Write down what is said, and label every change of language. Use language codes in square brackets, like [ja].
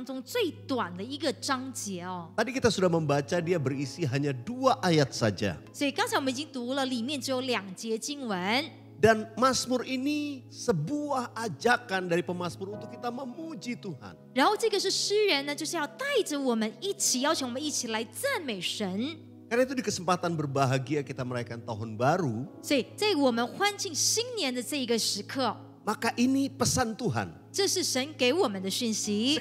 [zh] 诗篇117篇呢是神的话语当中最短的一个章节哦. [id] Tadi kita sudah membaca dia berisi hanya 2 ayat saja. [zh] 所以刚才我们已经读了里面只有两节经文. [id] Dan mazmur ini sebuah ajakan dari pemazmur untuk kita memuji Tuhan. [zh] 然后这个是诗人呢, 就是要带着我们一起, 邀请我们一起来赞美神. [id] Karena itu di kesempatan berbahagia kita merayakan tahun baru. [zh] 所以在我们欢庆新年的这一个时刻, [id] maka ini pesan Tuhan. [zh] 这是神给我们的讯息.